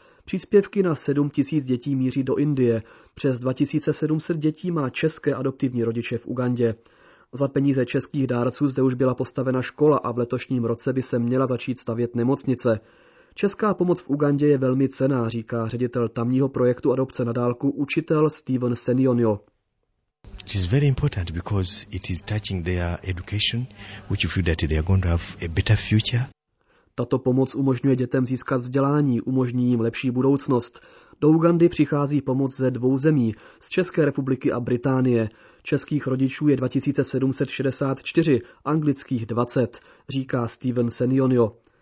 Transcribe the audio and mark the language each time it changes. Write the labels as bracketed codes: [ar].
[cs] Příspěvky na 7000 dětí míří do Indie. Přes 2700 dětí má české adoptivní rodiče v Ugandě. Za peníze českých dárců zde už byla postavena škola a v letošním roce by se měla začít stavět nemocnice. Česká pomoc v Ugandě je velmi cenná, říká ředitel tamního projektu Adopce na dálku, učitel Steven Senionio. [en] It is very important because it is touching their education, which feel that they are going to have a better future. [cs] Tato pomoc umožňuje dětem získat vzdělání, umožní jim lepší budoucnost. Do Ugandy přichází pomoc ze 2 zemí, z České republiky a Británie. Českých rodičů je 2764, anglických 20, říká Steven Senionio.